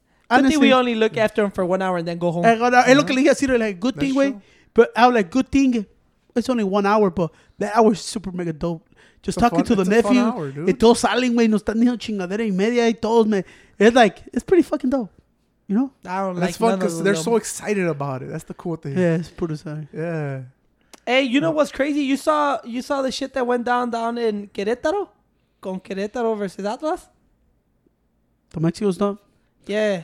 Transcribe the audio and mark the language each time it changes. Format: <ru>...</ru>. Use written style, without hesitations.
<en>Honestly, I think we only look after him for 1 hour and then go home.</en> <es>Es lo que le dije a Ciro.</es> <en>Like, good thing, güey. But I was like, good thing. It's only 1 hour, but that hour is super mega dope. Just talking to the nephew. It's a fun hour, dude.</en> <es>Y todos salen, güey. Nos están diciendo chingadera y media. Y todos,</es> <en>man. It's like, it's pretty fucking dope. You know? I don't like that's fun because they're so excited about it. That's the cool thing. Yeah, it's pretty exciting. Yeah. Hey, you know what's crazy? You saw the shit that went down in Querétaro?</en> <es>Con Querétaro versus Atlas?</es> <en>The Mexico's done? Yeah.</en>